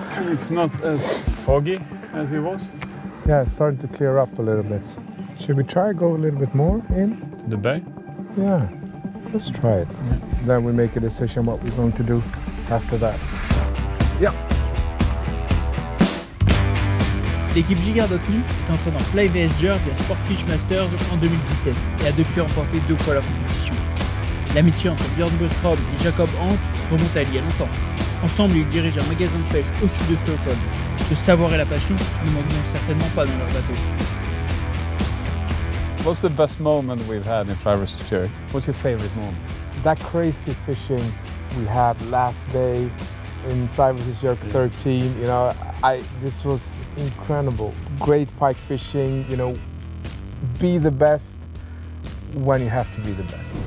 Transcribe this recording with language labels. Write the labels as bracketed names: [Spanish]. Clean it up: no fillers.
[English] It's not as foggy as it was. Yeah, it's starting to clear up a little bit. Should we try to go a little bit more in? The bay? Yeah, let's try it. Yeah. Then we make a decision what we're going to do after that. Yeah. [French] L'équipe Jiggar.nu est entrée dans Fly VSGR via Sportfish Masters en 2017 et a depuis remporté deux fois la compétition. L'amitié entre Björn Boström et Jacob Hank remonte à il y a longtemps. Ensemble, ils dirigent un magasin de pêche au sud de Stockholm. Le savoir et la passion ne manquent certainement pas dans leur bateau. [English] What's the best moment we've had in Fly VSGR? What's your favorite moment? That crazy fishing we had last day in Fly VSGR 13, you know, this was incredible. Great pike fishing, you know, be the best when you have to be the best.